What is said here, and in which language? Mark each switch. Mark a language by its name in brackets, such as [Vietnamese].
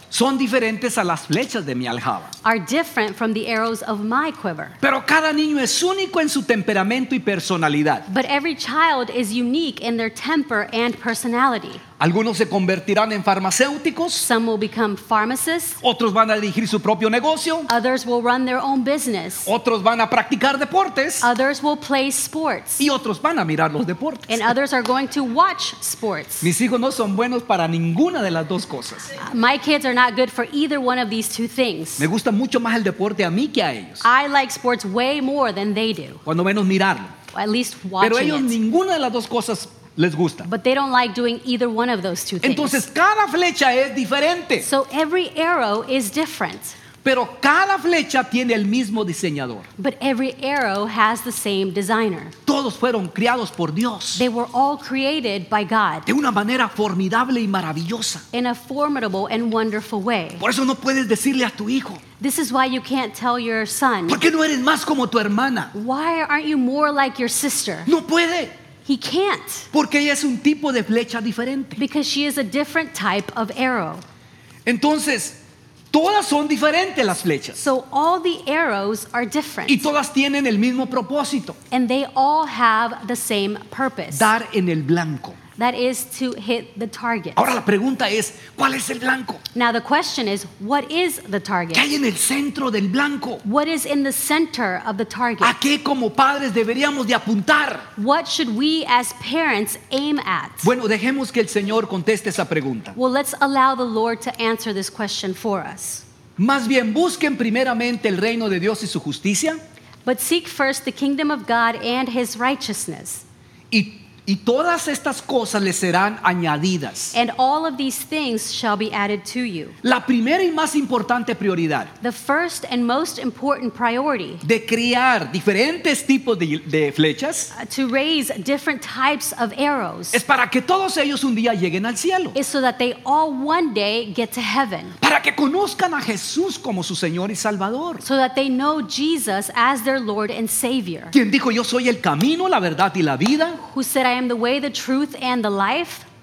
[Spanish] son diferentes a las flechas de mi aljaba. [English] Are different from the arrows of my quiver. [Spanish] Pero cada niño es único en su temperamento y personalidad. [English] But every child is unique in their temper and personality. [Spanish] Algunos se convertirán en farmacéuticos. [English] Some will become pharmacists. [Spanish] Otros van a dirigir su propio negocio. [English] Others will run their own business. [Spanish] Otros van a practicar deportes. [English] Others will play sports. [Spanish] Y otros van a mirar los deportes. [English] And others are going to watch sports. [Spanish] Mis hijos no son buenos para ninguna de las dos cosas. [English] My kids are not good for either one of these two things. [Spanish] Me gusta mucho más el deporte a mí que a ellos. [English] I like sports way more than they do. [Spanish] Cuando menos mirarlo. [English] At least watching. [Spanish] Pero ellos [English] it. [Spanish] Ninguna de las dos cosas les gusta. [English] But they don't like doing either one of those two things. [Spanish] Entonces, cada flecha es diferente. [English] So every arrow is different. [Spanish] Pero cada flecha tiene el mismo diseñador. [English] But every arrow has the same designer. [Spanish] Todos fueron criados por Dios. [English] They were all created by God. [Spanish] De una manera formidable y maravillosa. [English] In a formidable and wonderful way. [Spanish] Por eso no puedes decirle a tu hijo. [English] This is why you can't tell your son. [Spanish] ¿Por qué no eres más como tu hermana? [English] Why aren't you more like your sister? [Spanish] No puede. [English] He can't. [Spanish] Porque ella es un tipo de flecha diferente. [English] Because she is a different type of arrow. [Spanish] Entonces, todas son diferentes las flechas. [English] So all the arrows are different. [Spanish] Y todas tienen el mismo propósito. [English] And they all have the same purpose. [Spanish] Dar en el blanco. [English] That is to hit the target. [Spanish] Ahora la pregunta es, ¿cuál es el blanco? [English] Now the question is, what is the target? [Spanish] ¿Qué hay en el centro del blanco? [English] What is in the center of the target? [Spanish] ¿A qué como padres deberíamos de apuntar? [English] What should we as parents aim at? [Spanish] Bueno, dejemos que el Señor conteste esa pregunta. [English] Well, let's allow the Lord to answer this question for us. [Spanish] Más bien, busquen primeramente el reino de Dios y su justicia. [English] But seek first the kingdom of God and his righteousness. [Spanish] Y todas estas cosas le serán añadidas. [English] And all of these things shall be added to you. [Spanish] La primera y más importante prioridad. [English] The first and most important priority. [Spanish] De criar diferentes tipos de flechas. [English] To raise different types of arrows. [Spanish] Es para que todos ellos un día lleguen al cielo. [English] Is so that they all one day get to heaven. [Spanish] Para que conozcan a Jesús como su Señor y Salvador. [English] So that they know Jesus as their Lord and Savior. [Spanish] ¿Quién dijo yo soy el camino, la verdad y la vida? [English] Who said I am the way, the truth, and the life?